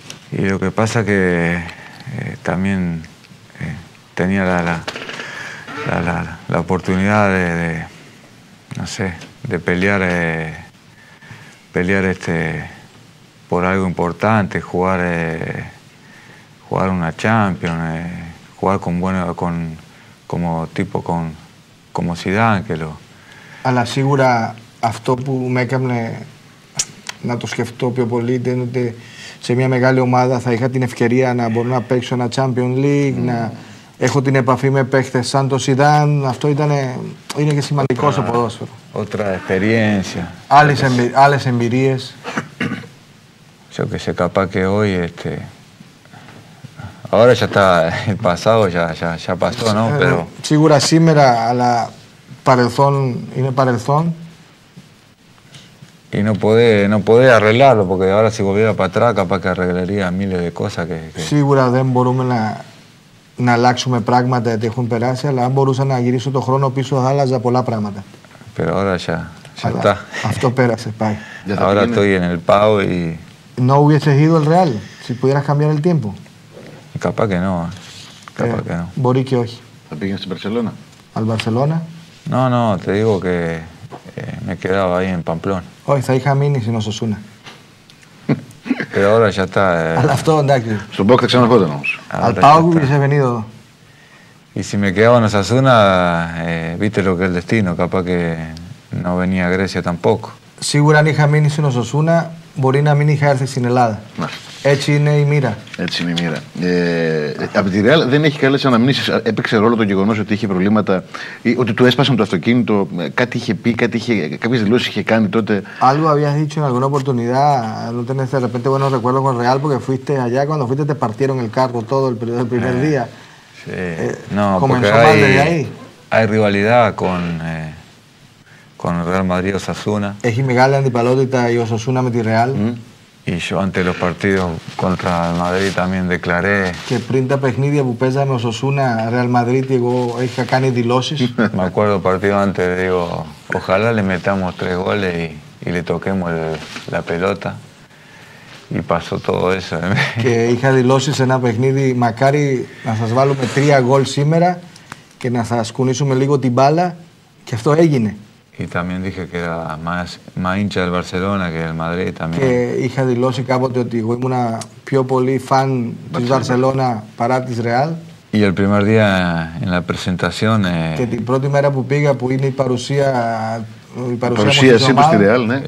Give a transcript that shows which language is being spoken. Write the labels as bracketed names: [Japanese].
[Spanish] Y lo que pasa que también tenía la oportunidad de no sé, de pelear por algo importante, jugar una Champions, jugar como Zidane que lo. A la segura [Greek] αυτό που με έκανε να το σκεφτώ πιο πολύ, ήταν ότι σε μια μεγάλη ομάδα θα είχα την ευκαιρία να μπορώ να παίξω ένα Champions League, να έχω την επαφή με παίχτες σαν το Σιδάν. Αυτό είναι και σημαντικό στο ποδόσφαιρο. [Spanish] Otra experiencia. [Greek] Άλλες εμπειρίες. [Spanish] Yo que sé, capaz que hoy, ahora ya está el pasado, ya pasó, ¿no? Pero... [Greek] Σίγουρα σήμερα, αλλά παρελθόν είναι παρελθόν. [Spanish] Y no puede arreglarlo, porque ahora si volviera para atrás, capaz que arreglaría miles de cosas que... [Greek] Σίγουρα δεν μπορούμε να αλλάξουμε πράγματα γιατί έχουν περάσει, αλλά αν μπορούσα να γυρίσω το χρόνο πίσω, θα άλλαζα πολλά πράγματα. [Spanish] Pero ahora ya está. [Greek] Αυτό πέρασε, πάει. [Spanish] Ahora estoy en el Pau y... No hubieses ido al Real, si pudieras cambiar el tiempo. Capaz que no, capaz que no. [Greek] Μπορεί και όχι. Θα πήγαινε στην Barcelona. [Spanish] Al Barcelona. No, te digo que... me quedaba ahí en Pamplona. [Greek] Όχι, θα είχα μείνει στην Οσασούνα. [Spanish] Pero ahora ya está. [Greek] Αλλά αυτό εντάξει. Στον Πόκ θα ξαναρχόταν όμως. [Spanish] Al Pau hubiese venido. Y si me quedaba en Οσασούνα, viste lo que es el destino, capaz que no venía a Grecia tampoco. [Greek] Σίγουρα αν είχα μείνει στην Οσασούνα, μπορεί να μην είχα έρθει στην Ελλάδα. Έτσι είναι η μοίρα. Έτσι είναι η μοίρα. Από τη Ρεάλ δεν έχει καλές αναμνήσεις. Έπαιξε ρόλο το γεγονός ότι είχε προβλήματα, ότι του έσπασαν το αυτοκίνητο. Κάτι είχε πει, κάποιες δηλώσεις είχε κάνει τότε. [Spanish] Algo habías dicho en alguna oportunidad, no tenés de repente buenos recuerdos con Real, porque fuiste allá, cuando fuiste te partieron el carro todo el primer día. No, comenzó mal desde ahí. Hay rivalidad con Real Madrid y Osasuna. [Greek] Έχει μεγάλη αντιπαλότητα η Osasuna με τη Real. [Spanish] Y yo ante los partidos contra el Madrid también declaré. [Greek] Que πριν τα παιχνίδια που παίζαμε Osasuna Real Madrid, εγώ είχα κάνει δηλώσεις. [Spanish] Me acuerdo partido antes, digo, ojalá le metamos 3 goles y le toquemos la pelota. Y pasó todo eso. [Greek] Que είχα δηλώσεις σε ένα παιχνίδι, μακάρι να σας βάλουμε 3 γκολ σήμερα και να σας κουνήσουμε λίγο την μπάλα. Και αυτό έγινε. [Spanish] Y también dije que era más hincha del Barcelona que del Madrid también. Que hija de Losi Cabo te digo, era [Greek] πιο πολύ [Spanish] fan del Barcelona para [Greek] της [Spanish] Real. Y el primer día en la presentación. [Greek] Que την πρώτη μέρα που πήγα που είναι η παρουσία μου στη Real, ναι.